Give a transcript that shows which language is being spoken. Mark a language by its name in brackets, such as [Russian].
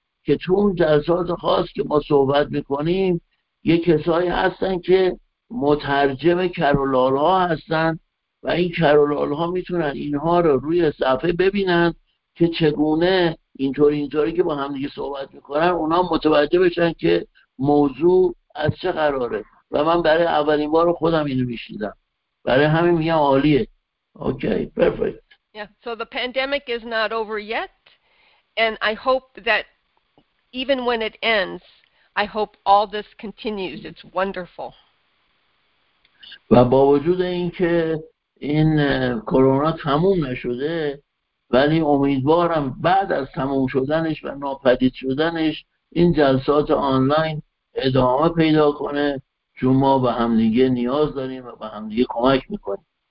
[Persian] که تو اون جلسات خاص که ما صحبت میکنیم یه کسایی هستن که مترجم کرولال ها هستن و این کرولال ها میتونن اینها رو روی صفحه ببینن که چگونه اینطوری که با هم دیگه صحبت میکنن اونا متوجه بشن که موضوع از چه قراره. و من برای اولین بار خودم اینو میشنیدم، برای همین میگم عالیه. [English] Okay, perfect. Yeah, so the pandemic is not over yet, and I hope that even when it ends, I hope all this continues. It's wonderful. [Persian] و با وجود اینکه این کرونا تموم نشده، ولی امیدوارم بعد از تموم شدنش و ناپدید شدنش این جلسات آنلاین ادامه پیدا کنه، چون ما به هم دیگه نیاز داریم و به هم دیگه کمک میکنیم.